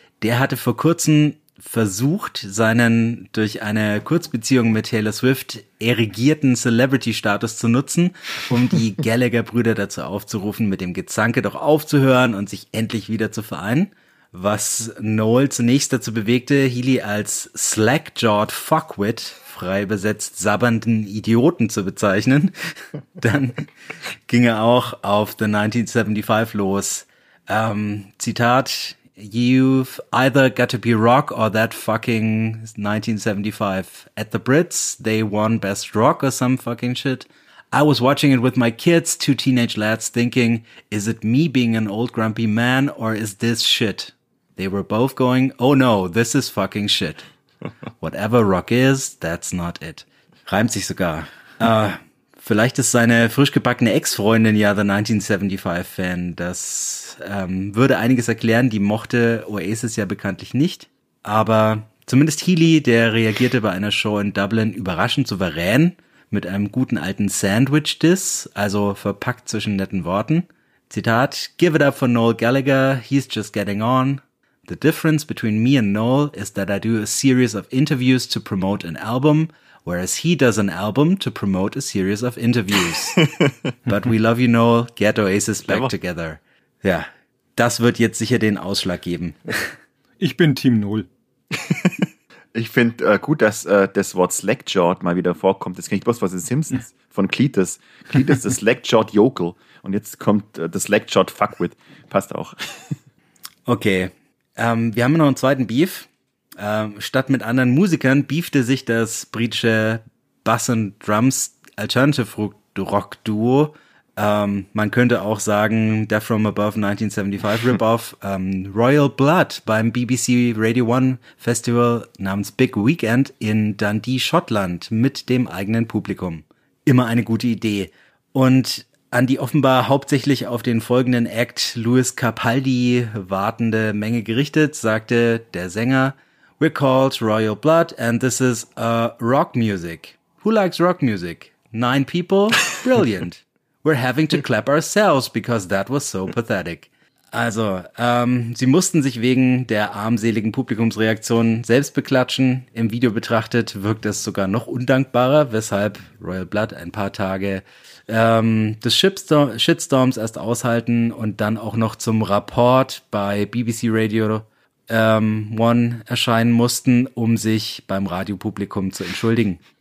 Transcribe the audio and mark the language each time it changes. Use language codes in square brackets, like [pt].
[de] Der hatte vor kurzem versucht, seinen durch eine Kurzbeziehung mit Taylor Swift erigierten Celebrity-Status zu nutzen, um die Gallagher-Brüder dazu aufzurufen, mit dem Gezanke doch aufzuhören und sich endlich wieder zu vereinen. Was Noel zunächst dazu bewegte, Healy als Slack-jawed Fuckwit, frei übersetzt sabbernden Idioten zu bezeichnen. Dann ging er auch auf The 1975 los. [en] Zitat, you've either got to be rock or that fucking 1975. At the Brits, they won best rock or some fucking shit. I was watching it with my kids, 2 teenage lads, thinking, is it me being an old grumpy man or is this shit? They were both going, oh no, this is fucking shit. Whatever rock is, that's not it. [de] Reimt sich sogar. Vielleicht ist seine frisch gebackene Ex-Freundin ja The 1975-Fan. Das würde einiges erklären. Die mochte Oasis ja bekanntlich nicht. Aber zumindest Healy, der reagierte bei einer Show in Dublin überraschend souverän mit einem guten alten Sandwich-Diss, also verpackt zwischen netten Worten. [en] Zitat, give it up for Noel Gallagher, he's just getting on. The difference between me and Noel is that I do a series of interviews to promote an album, whereas he does an album to promote a series of interviews. But we love you, Noel. Get Oasis back together. [de] Ja, das wird jetzt sicher den Ausschlag geben. Ich bin Team Noel. Ich finde gut, dass das Wort Slackjawed mal wieder vorkommt. Das kenne ich bloß von den Simpsons, von Cletus. Cletus ist Slackjawed Yokel. Und jetzt kommt das Slackjawed Fuckwit. Passt auch. Okay. Wir haben noch einen zweiten Beef. Statt mit anderen Musikern beefte sich das britische Bass and Drums Alternative Rock Duo. Man könnte auch sagen, Death from Above 1975 Ripoff, Royal Blood beim BBC Radio 1 Festival namens Big Weekend in Dundee, Schottland mit dem eigenen Publikum. Immer eine gute Idee. Und an die offenbar hauptsächlich auf den folgenden Act Louis Capaldi wartende Menge gerichtet, sagte der Sänger, we're called Royal Blood and this is rock music. [en] Who likes rock music? 9 people? Brilliant. We're having to clap ourselves because that was so pathetic. [de] Also, sie mussten sich wegen der armseligen Publikumsreaktion selbst beklatschen. Im Video betrachtet wirkt es sogar noch undankbarer, weshalb Royal Blood ein paar Tage des Shitstorms erst aushalten und dann auch noch zum Rapport bei BBC Radio One erscheinen mussten, um sich beim Radiopublikum zu entschuldigen.